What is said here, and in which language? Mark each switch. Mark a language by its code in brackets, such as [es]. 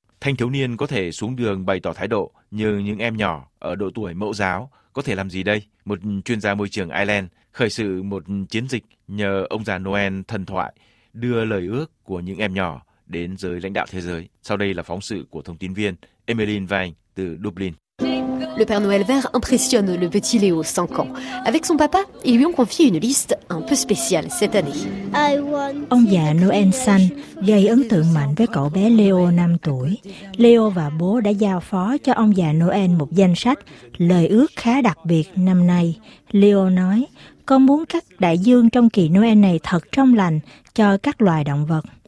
[vi] Thanh thiếu niên có thể xuống đường bày tỏ thái độ, nhưng những em nhỏ ở độ tuổi mẫu giáo có thể làm gì đây? Một chuyên gia môi trường Ireland khởi sự một chiến dịch nhờ ông già Noel thần thoại đưa lời ước của những em nhỏ đến giới lãnh đạo thế giới. Sau đây là phóng sự của thông tin viên Emeline Vang từ Dublin. [fr] Le Père Noël vert impressionne le petit Léo 5 ans. Avec son papa, ils lui ont confié une liste un peu spéciale cette année. [vi] Ông già Noel xanh gây ấn tượng mạnh với cậu bé Léo 5 tuổi. Léo và bố đã giao phó cho ông già Noel một danh sách lời ước khá đặc biệt năm nay. Léo nói, con muốn các đại dương trong kỳ Noel này thật trong lành cho các loài động vật.